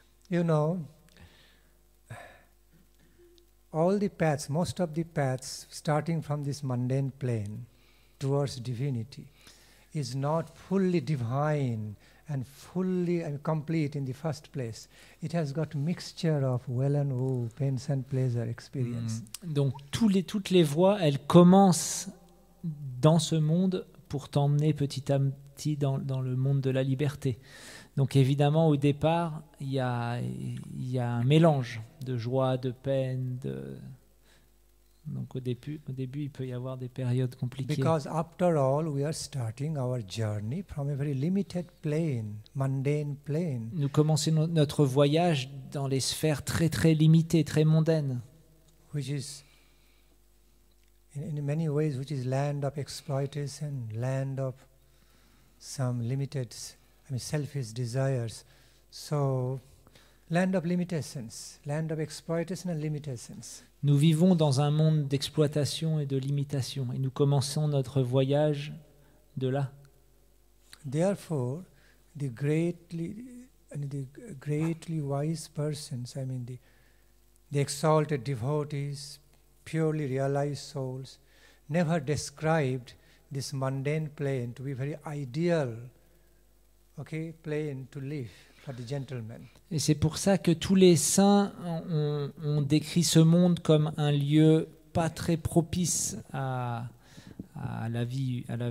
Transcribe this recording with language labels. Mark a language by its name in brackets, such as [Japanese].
[English] You know, all the paths, most of the paths, starting from this mundane plane towards divinity, is not fully divine and fully and complete in the first place. It has got mixture of well and woe, pains and pleasure experience. Mm. [French] Donc toutes les voies, elles commencent dans ce monde pour t'emmener petit à petit dans le monde de la liberté. Donc évidemment, au départ, il y a un mélange de joie, de peine. Donc au début, il peut y avoir des périodes compliquées. [English] Because after all, we are starting our journey from a very limited plane, mundane plane. [French] Nous commençons notre voyage dans les sphères très très limitées, très mondaines. [English] Which is, in many ways, which is land of exploitation, land of some limited, I mean, selfish desires, So, land of limitations, land of exploitation and limitations. [French] Nous vivons dans un monde d'exploitation et de limitation, et nous commençons notre voyage de là. [English] Therefore, the greatly wise persons, I mean the exalted devotees, purely realized souls, never described this mundane plane to be very ideal, okay, plane to live. [French] Et c'est pour ça que tous les saints ont décrit ce monde comme un lieu pas très propice à la vie.